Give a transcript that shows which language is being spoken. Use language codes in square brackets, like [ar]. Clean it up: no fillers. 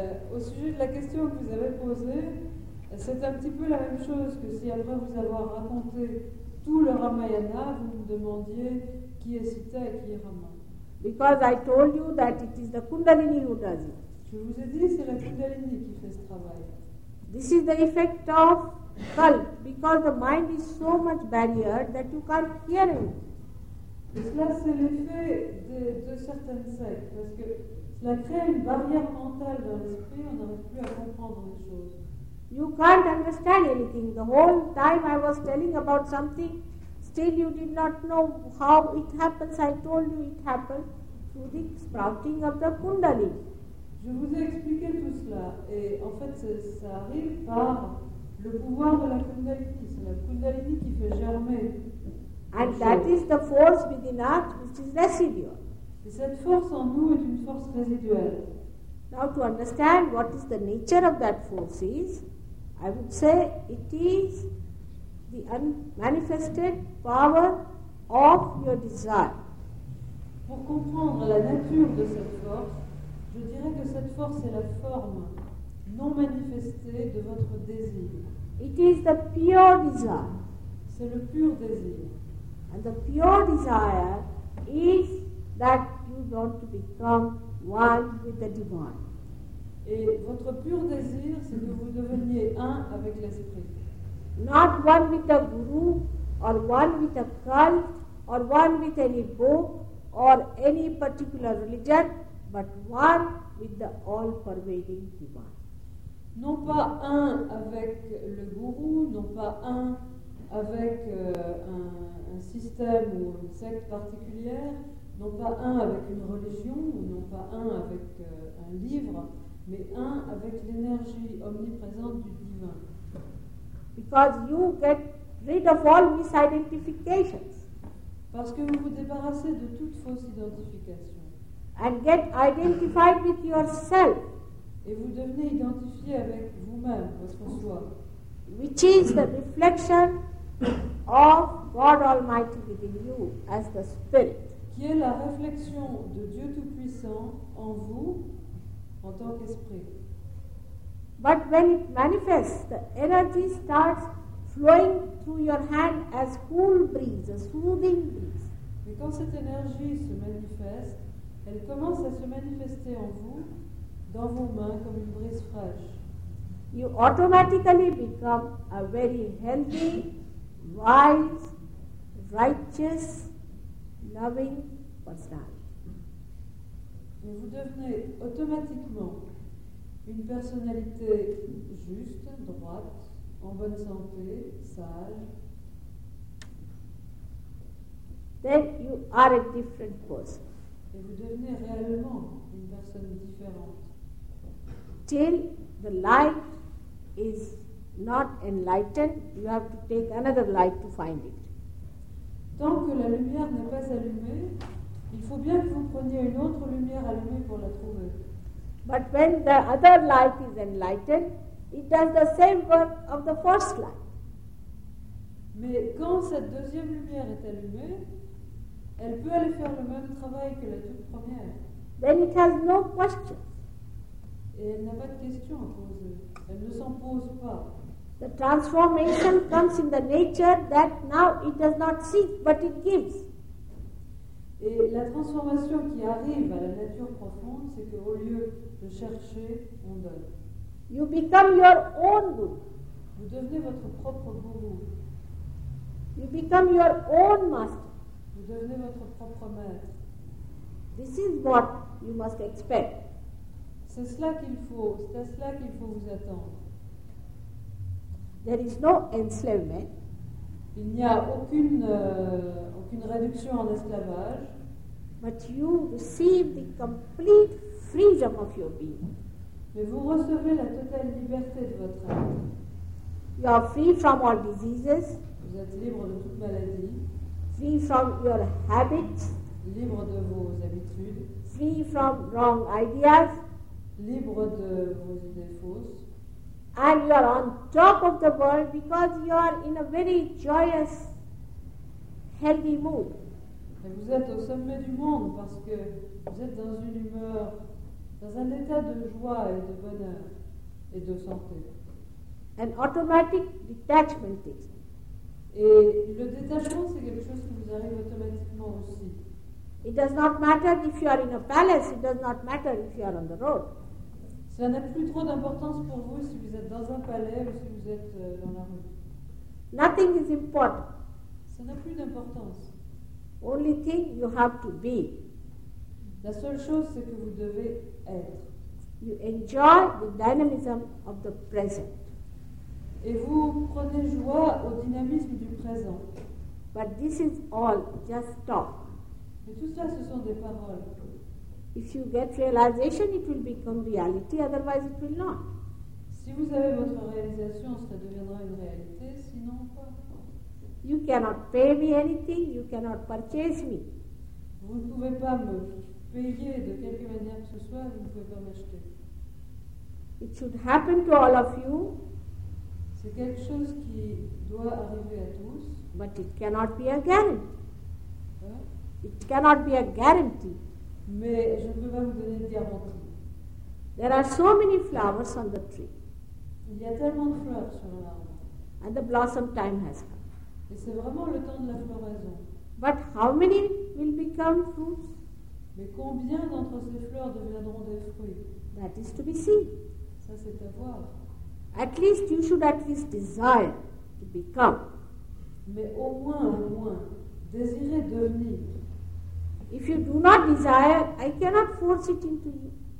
[fr] Au sujet de la question que vous avez posée, c'est un petit peu la même chose que si après vous avoir raconté tout le Ramayana, vous me demandiez qui est Sita et qui est Rama. [en] Because I told you that it is the Kundalini who does it. [fr] Je vous ai dit, c'est la Kundalini qui fait ce travail. [en] This is the effect of cult, because the mind is so much barrier that you can't hear it. [fr] Et cela, c'est l'effet de certaines sectes, parce que cela crée une barrière mentale dans l'esprit, on n'arrive plus à comprendre les choses. [en] You can't understand anything. The whole time I was telling about something, still you did not know how it happens. I told you it happened through the sprouting of the Kundalini. [fr] Je vous ai expliqué tout cela, et en fait, ça arrive par le pouvoir de la Kundalini. C'est la Kundalini qui fait germer. [en] And that is the force within us which is residual. [fr] Et cette force en nous est une force résiduelle. [en] Now to understand what is the nature of that force is, I would say it is the unmanifested power of your desire. [fr] Pour comprendre la nature de cette force, je dirais que cette force est la forme non manifestée de votre désir. [en] It is the pure desire. [fr] C'est le pur désir. [en] And the pure desire is that you want to become one with the divine. [fr] Et votre pur désir, c'est que vous deveniez un avec l'esprit. [en] Not one with a guru, or one with a cult, or one with any book, or any particular religion, but one with the all-pervading divine. [fr] Non pas un avec le guru, non pas un avec un système ou une secte particulière, non pas un avec une religion, ou non pas un avec un livre, mais un avec l'énergie omniprésente du divin. [en] Because you get rid of all misidentifications. [fr] Parce que vous vous débarrassez de toute fausse identification. [en] And get identified with yourself. [fr] Et vous devenez identifié avec vous-même, votre soi. [en] Which is the reflection of God Almighty within you as the spirit. [fr] Qui est la réflexion de Dieu Tout-Puissant en vous, en tant qu'esprit. [en] But when it manifests, the energy starts flowing through your hand as cool breeze, a soothing breeze. [fr] Mais quand cette énergie se manifeste, elle commence à se manifester en vous, dans vos mains, comme une brise fraîche. [en] You automatically become a very healthy, wise, righteous, loving personality. [fr] Et vous devenez automatiquement une personnalité juste, droite, en bonne santé, sage. [en] Then you are a different person. [fr] Et vous devenez réellement une personne différente. [en] Till the light is not enlightened, you have to take another light to find it. [fr] Tant que la lumière n'est pas allumée, il faut bien que vous preniez une autre lumière allumée pour la trouver. [en] But when the other light is enlightened, it does the same work of the first light. [fr] Mais quand cette deuxième lumière est allumée, elle peut aller faire le même travail que la toute première. [en] then it has no question. [fr] Et elle n'a pas de question à poser. Elle ne s'en pose pas. [en] The transformation comes in the nature that now it does not seek, but it gives. [fr] Et la transformation qui arrive à la nature profonde, c'est qu'au lieu de chercher, on donne. [en] You become your own guru. [fr] Vous devenez votre propre guru. [en] You become your own master. [fr] Vous devenez votre propre maître. [en] This is what you must expect. [fr] C'est cela qu'il faut. C'est à cela qu'il faut vous attendre. [en] There is no enslavement. [fr] Il n'y a aucune réduction en esclavage. [en] But you receive the complete freedom of your being. [fr] Mais vous recevez la totale liberté de votre être. [en] You are free from all diseases. [fr] Vous êtes libre de toute maladie. [en] Free from your habits. [fr] Libre de vos habitudes. [en] Free from wrong ideas. [fr] Libre de vos idées fausses. [en] And you are on top of the world because you are in a very joyous, healthy mood. [fr] Et vous êtes au sommet du monde parce que vous êtes dans une humeur, dans un état de joie et de bonheur et de santé. [en] An automatic detachment takes place. [fr] Et le détachement, c'est quelque chose qui vous arrive automatiquement aussi. [en] It does not matter if you are in a palace, it does not matter if you are on the road. [fr] Ça n'a plus trop d'importance pour vous si vous êtes dans un palais ou si vous êtes dans la rue. [en] Nothing is important. [fr] Ça n'a plus d'importance. [en] Only thing you have to be. [fr] La seule chose, c'est que vous devez être. [en] You enjoy the dynamism of the present. [fr] Et vous prenez joie au dynamisme du présent. [en] But this is all just talk. [fr] Mais tout ça, ce sont des paroles. [en] If you get realization, it will become reality, otherwise it will not. [fr] Si vous avez votre réalisation, ça deviendra une réalité, sinon pas. [en] You cannot pay me anything, you cannot purchase me. [fr] Vous ne pouvez pas me payer de quelque manière que ce soit, vous ne pouvez pas m'acheter. [en] It should happen to all of you. [fr] C'est quelque chose qui doit arriver à tous. [en] But it cannot be a guarantee. It cannot be a guarantee. [fr] Mais je ne peux pas vous donner de garantie. [en] There are so many flowers on the tree. [fr] Il y a tellement de fleurs sur l'arbre. [en] And the blossom time has come. [fr] Et c'est vraiment le temps de la floraison. [en] But how many will become fruits? [fr] Mais combien d'entre ces fleurs deviendront des fruits? [en] That is to be seen. [fr] Ça, c'est à voir. [en] At least you should at least desire to become. [fr] Mais au moins, désirez devenir. [en] If you do not desire, I cannot force it into you.